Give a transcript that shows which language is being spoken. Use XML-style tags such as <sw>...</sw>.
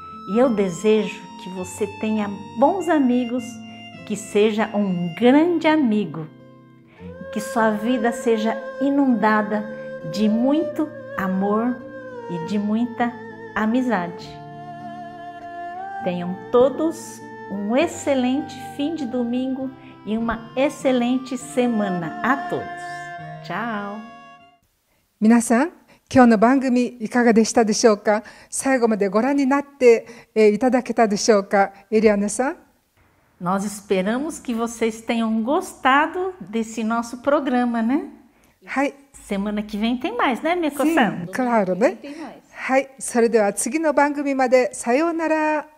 <pt>E eu desejo que você tenha bons amigos, que seja um grande amigo, que sua vida seja inundada de muito amor e de muita amizade. Tenham todos um excelente fim de domingo e uma excelente semana a todos. Tchau!</pt> <ja>皆さん、 今日の番組いかがでしたでしょうか? 最後までご覧になっていただけたでしょうか? エリアナさん?</ja> <pt>Nós esperamos que vocês tenham gostado desse nosso programa, né?</pt> <ja>Hai.</ja> <pt>Semana que vem tem mais, né, Meko-san? Sim, claro, né?</pt> <ja>Hai, それでは次の番組まで、さようなら!</ja>